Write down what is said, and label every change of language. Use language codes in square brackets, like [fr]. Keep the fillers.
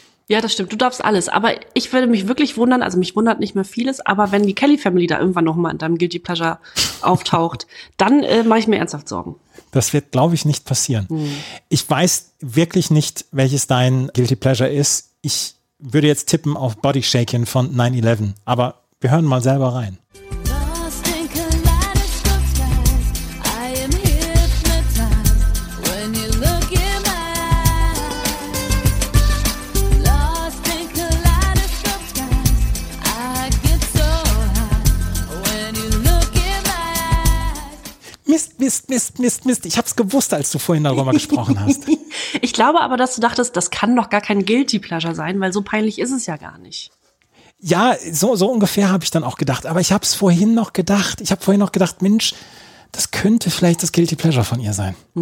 [de] Ja, das stimmt. Du darfst alles. Aber ich würde mich wirklich wundern, also mich wundert nicht mehr vieles, aber wenn die Kelly Family da irgendwann nochmal in deinem Guilty Pleasure auftaucht, dann äh, mache ich mir ernsthaft Sorgen. Das wird, glaube ich, nicht passieren. Ich weiß wirklich nicht, welches dein Guilty Pleasure ist. Ich würde jetzt tippen auf Body Shaking von 9-11. Aber wir hören mal selber rein. [en] Lost in kaleidoscope skies, I am hypnotized when you look in my eyes. Lost in kaleidoscope skies, I get so high when you look in my eyes. [de] Mist, Mist, Mist, Mist, Mist. Ich hab's gewusst, als du vorhin darüber gesprochen hast. Ich glaube aber, dass du dachtest, das kann doch gar kein Guilty Pleasure sein, weil so peinlich ist es ja gar nicht. Ja, so, so ungefähr habe ich dann auch gedacht. Aber ich hab's vorhin noch gedacht. Ich habe vorhin noch gedacht, Mensch, das könnte vielleicht das Guilty Pleasure von ihr sein.